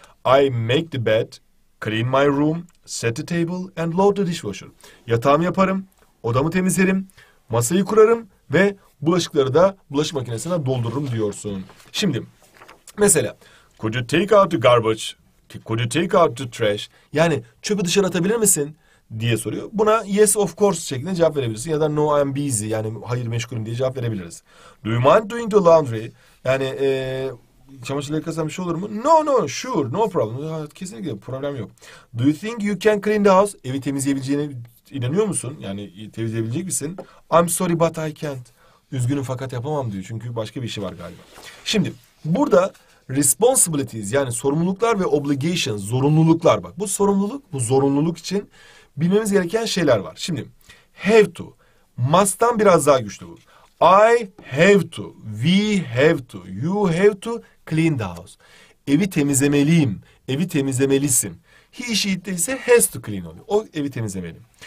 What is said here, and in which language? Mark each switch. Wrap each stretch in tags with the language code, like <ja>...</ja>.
<en>I make the bed, clean my room, set the table and load the dishwasher.</en> <tr>Yatağımı yaparım, odamı temizlerim, masayı kurarım ve bulaşıkları da bulaşık makinesine doldururum diyorsun. Şimdi mesela</tr> <en>could you take out the garbage? Could you take out the trash?</en> <tr>Yani çöpü dışarı atabilir misin diye soruyor. Buna</tr> <en>yes of course</en> <tr>şeklinde cevap verebilirsin. Ya da</tr> <en>no I'm busy,</en> <tr>yani hayır meşgulüm diye cevap verebiliriz.</tr> <en>Do you mind doing the laundry?</en> <tr>Yani çamaşırları yıkasam bir şey olur mu?</tr> <en>No no sure no problem.</en> <tr>Kesinlikle problem yok.</tr> <en>Do you think you can clean the house?</en> <tr>Evi temizleyebileceğine inanıyor musun? Yani temizleyebilecek misin?</tr> <en>I'm sorry but I can't.</en> <tr>Üzgünüm fakat yapamam diyor. Çünkü başka bir işi var galiba. Şimdi burada responsibilities, yani sorumluluklar ve obligations, zorunluluklar, bak bu sorumluluk, bu zorunluluk için bilmemiz gereken şeyler var. Şimdi have to, must'tan biraz daha güçlü bu.</tr> <en>I have to, we have to, you have to clean the house.</en> <tr>Evi temizlemeliyim, evi temizlemelisin. He, she ise</tr> <en>has to clean</en> <tr>oluyor. O evi temizlemeli.</tr>